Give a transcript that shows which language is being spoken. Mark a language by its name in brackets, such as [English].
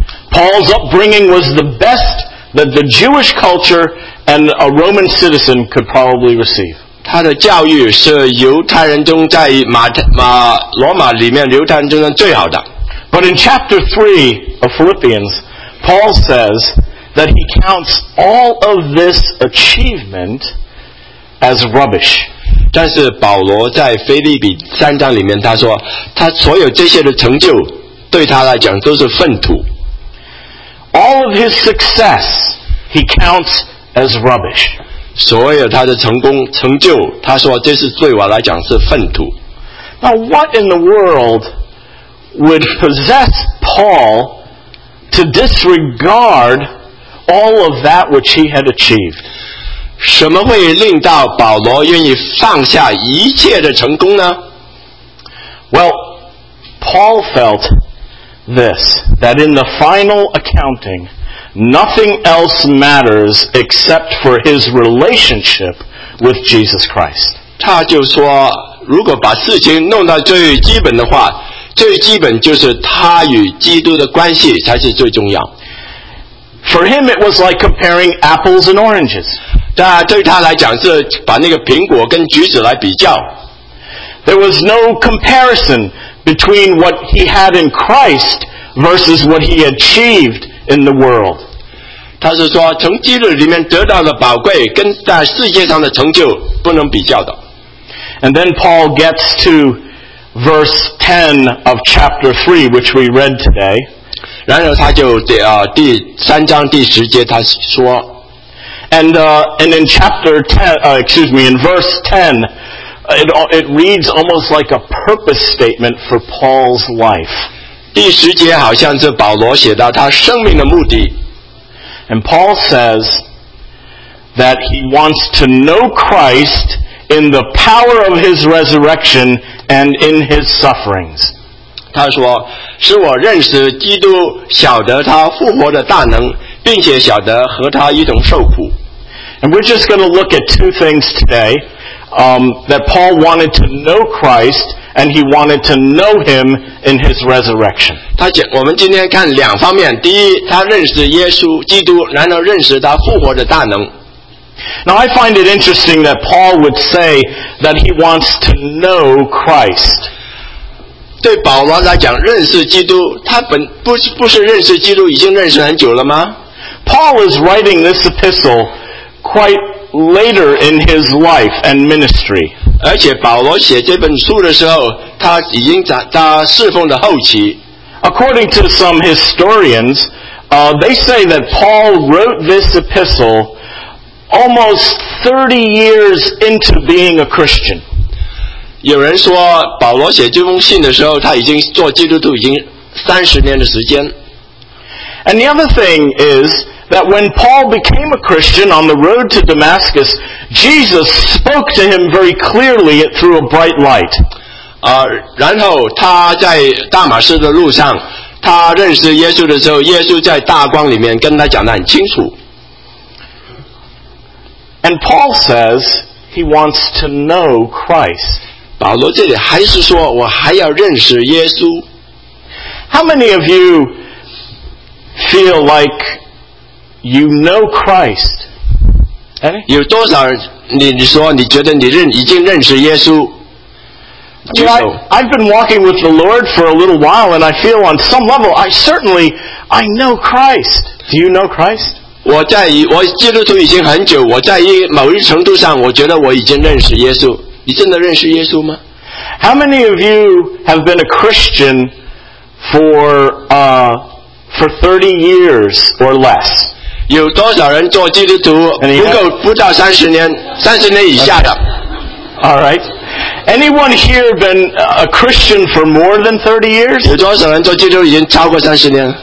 [English] Paul's upbringing was the best that the Jewish culture and a Roman citizen could probably receive. [Chinese] 他的教育是犹太人中在罗马里面犹太人中最好的。 [English] But in chapter 3 of Philippians, Paul says that he counts all of this achievement as rubbish. [Chinese] 但是保罗在腓立比三章里面他说他所有这些的成就对他来讲都是粪土。 [English] All of his success he counts as rubbish. [Chinese] 所有他的成功成就他说这是对我来讲是粪土。 [English] Now, what in the world would possess Paul to disregard all of that which he had achieved? [Chinese] 什么会令到保罗愿意放下一切的成功呢？ [English] Well, Paul felt this, that in the final accounting, nothing else matters except for his relationship with Jesus Christ. [Chinese] 他就说，如果把事情弄到最基本的话，最基本就是他与基督的关系才是最重要。 [English] For him, it was like comparing apples and oranges. [Chinese] 对他来讲是把那个苹果跟橘子来比较。 [English] There was no comparison between what he had in Christ versus what he achieved in the world. [Chinese] 他是说从基督里面得到的宝贵跟在世界上的成就不能比较的。 [English] And then Paul gets to verse 10 of chapter 3, which we read today. [Chinese] 然后他就第三章第十节他说 [English] and in chapter 10, excuse me, in verse 10, it reads almost like a purpose statement for Paul's life. [Chinese] 第十节好像是保罗写到他生命的目的。 [English] And Paul says that he wants to know Christ in the power of his resurrection and in his sufferings. [Chinese] 他说，使我认识基督，晓得他复活的大能，并且晓得和他一同受苦。 [English] And we're just going to look at two things today, that Paul wanted to know Christ and he wanted to know him in his resurrection. [Chinese] 我们今天看两方面，第一，他认识耶稣基督，然后认识他复活的大能。 [English] Now I find it interesting that Paul would say that he wants to know Christ. [Chinese] 对保罗来讲，认识基督，他不是认识基督已经认识很久了吗？ [English] Paul is writing this epistle quite later in his life and ministry. [Chinese] 而且保罗写这本书的时候，他已经他侍奉的后期。 [English] According to some historians, they say that Paul wrote this epistle almost 30 years into being a Christian. [Chinese] 有人说保罗写这封信的时候他已经做基督徒已经30年的时间。 [English] And the other thing is that when Paul became a Christian on the road to Damascus, Jesus spoke to him very clearly through a bright light. [Chinese] 然后他在大马士的路上他认识耶稣的时候耶稣在大光里面跟他讲得很清楚。 [English] And Paul says he wants to know Christ. [Chinese] 保罗这里还是说我还要认识耶稣。 [English] How many of you feel like you know Christ? Any? [Chinese] 有多少人你说你觉得你已经认识耶稣？ [English] I've been walking with the Lord for a little while and I feel on some level I know Christ. Do you know Christ? [Chinese] 我基督徒已经很久，我在某一程度上，我觉得我已经认识耶稣。你真的认识耶稣吗？ [English] How many of you have been a Christian for 30 years or less? [Chinese] 有多少人做基督徒不到30年，30年以下的？ [English] All right. Anyone here been a Christian for more than 30 years? [Chinese] 有多少人做基督徒已经超过30年？